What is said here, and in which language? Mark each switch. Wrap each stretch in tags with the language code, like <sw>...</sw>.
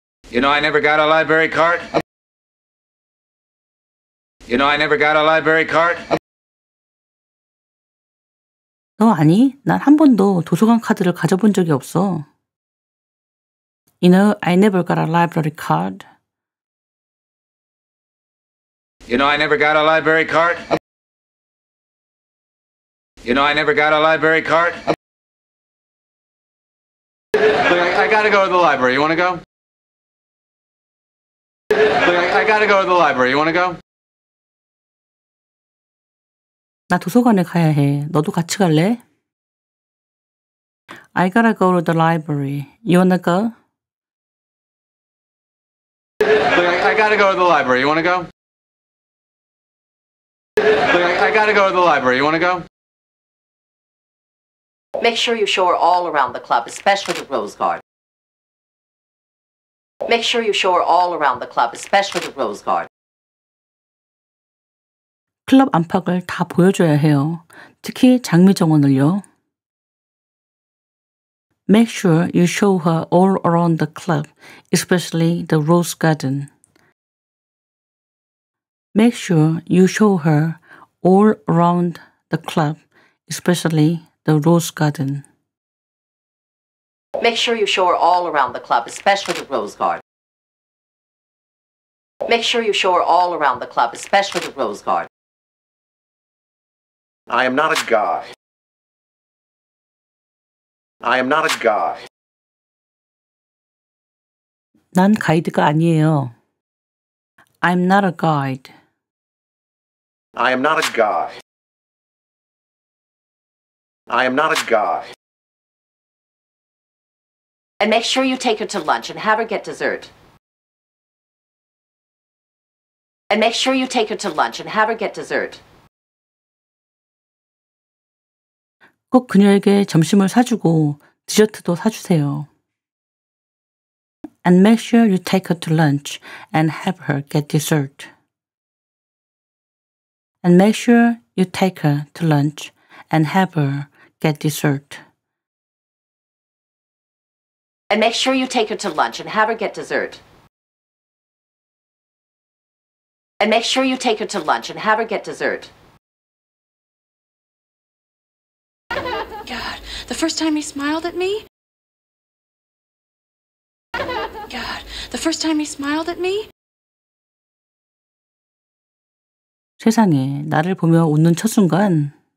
<en>You know, I never got a library card. You know, I never got a library card.</en> <ko>너 아니? 난 한 번도 도서관 카드를 가져본 적이 없어.</ko> <en>You know, I never got a library card. You know, I never got a library card. You know, I never got a library card. I gotta go to the library. You wanna go? I gotta go to the library. You wanna go?</en> <ko>나 도서관에 가야 해. 너도 같이 갈래?</ko> <en>I gotta go to the library. You wanna go? I gotta go to the library. You wanna go? I gotta go to the library. You wanna go? Make sure you show her all around the club, especially the Rose Garden. Make sure you show her all around the club, especially the Rose Garden.</en> <ko>클럽 안팎을 다 보여줘야 해요. 특히 장미 정원을요.</ko> <en>Make sure you show her all around the club, especially the Rose Garden. Make sure you show her all around the club, especially the Rose Garden. Make sure you show her all around the club, especially the Rose Garden. Make sure you show her all around the club, especially the Rose Garden. I am not a guy. I am not a guy.</en> <ko>난 가이드가 아니에요.</ko> <en>I'm not a guide. I am not a guy. I am not a guy. And make sure you take her to lunch and have her get dessert. And make sure you take her to lunch and have her get dessert.</en> <ko>꼭 그녀에게 점심을 사주고 디저트도 사주세요.</ko> <en>And make sure you take her to lunch and have her get dessert. And make sure you take her to lunch and have her get dessert. And make sure you take her to lunch and have her get dessert. And make sure you take her to lunch and have her get dessert. God, the first time he smiled at me? God, the first time he smiled at me?</en> <ko>세상에, 나를 보며 웃는 첫 순간.</ko>